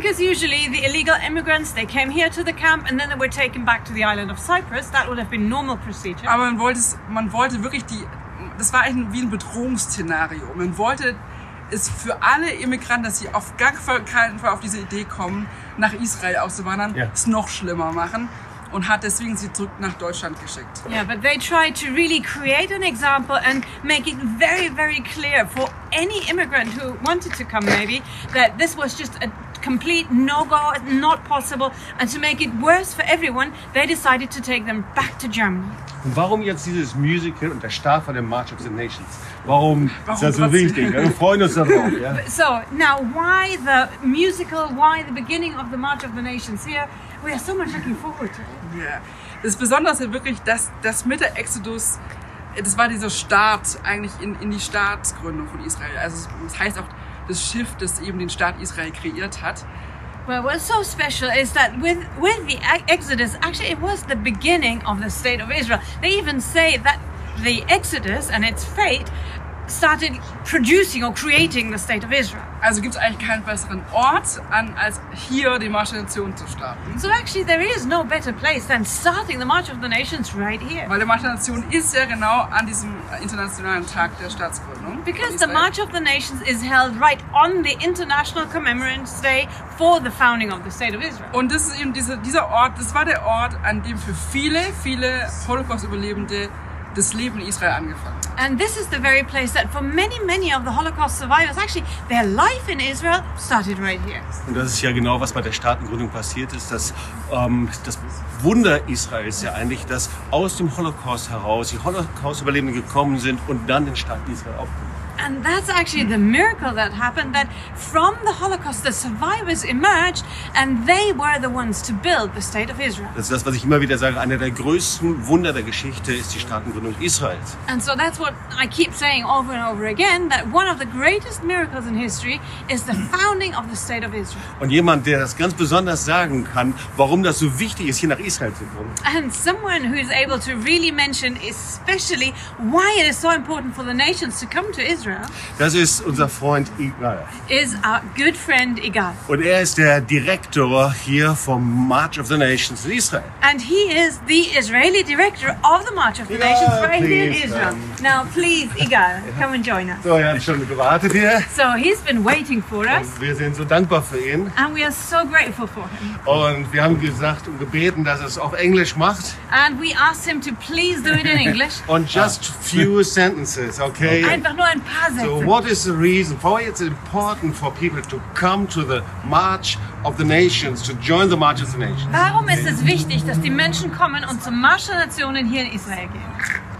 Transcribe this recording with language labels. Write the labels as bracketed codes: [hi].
[en] Because usually the illegal immigrants, they came here to the camp and then they were taken back to the island of Cyprus. That would have been normal procedure. [de] Aber man wollte wirklich die, das war eigentlich wie ein Bedrohungsszenario. Man wollte es für alle Immigranten, dass sie auf gar keinen Fall auf diese Idee kommen, nach Israel auszuwandern, es noch schlimmer machen. Und hat deswegen sie zurück nach Deutschland geschickt. [en] Yeah, but they tried to really create an example and make it very, very clear for any immigrant who wanted to come maybe, that this was just a complete no-go, not possible. And to make it worse for everyone, they decided to take them back to Germany. [de] Und warum jetzt dieses Musical und der Start von dem March of the Nations? Warum ist das so wichtig? Wir freuen uns darauf. Yeah? [en] So, now, why the musical, why the beginning of the March of the Nations here? We are so much looking forward to it. Yeah. [de] Das Besondere ist wirklich, dass das mit der Exodus, das war dieser Start eigentlich in die Staatsgründung von Israel. Also das heißt auch das Schiff, das eben den Staat Israel kreiert hat. [en] Well, what's so special is that with the Exodus, actually it was the beginning of the State of Israel. They even say that the Exodus and its fate started producing or creating the State of Israel. [de] Also gibt's eigentlich keinen besseren Ort an als hier die March of the Nations zu starten. [en] So actually there is no better place than starting the March of the Nations right here. [de] Weil der March of the Nations ist ja genau an diesem internationalen Tag der Staatsgründung. [en] Because the March of the Nations is held right on the International Commemorative Day for the founding of the State of Israel. [de] Und das ist eben dieser Ort, das war der Ort, an dem für viele Holocaust-Überlebende das Leben in Israel angefangen. [en] And this is the very place that for many, many of the Holocaust survivors, actually, their life in Israel started right here. [de] Und das ist ja genau, was bei der Staatengründung passiert ist, dass das Wunder Israels ja eigentlich, dass aus dem Holocaust heraus die Holocaust-Überlebenden gekommen sind und dann den Staat Israel aufgebaut. [en] And that's actually the miracle that happened, that from the Holocaust the survivors emerged and they were the ones to build the State of Israel. [de] Das ist das, was ich immer wieder sage, einer der größten Wunder der Geschichte ist die Staatengründung Israels. [en] And so that's what I keep saying over and over again, that one of the greatest miracles in history is the founding of the State of Israel. [de] Und jemand, der das ganz besonders sagen kann, warum das so wichtig ist, hier nach Israel zu kommen. [en] And someone who is able to really mention especially why it is so important for the nations to come to Israel. [de] Das ist unser Freund Igal. [en] Is our good friend Igal. [de] Und er ist der Direktor hier vom March of the Nations in Israel. [en] And he is the Israeli director of the March of the Nations right here in Israel. Now please, Igal, come and join us. [de] So, wir haben schon gewartet hier. [en] So, he's been waiting for us. [de] Und wir sind so dankbar für ihn. [en] And we are so grateful for him. [de] Und wir haben gesagt und gebeten, dass er es auf Englisch macht. [en] And we asked him to please do it in English. Und just few sentences, okay? [de] Einfach nur. [en] So what is the reason for why it's important for people to come to the March of the Nations, to join the March of the Nations? [de] Warum ist es wichtig, dass die Menschen kommen und zum Marsch der Nationen hier in Israel gehen?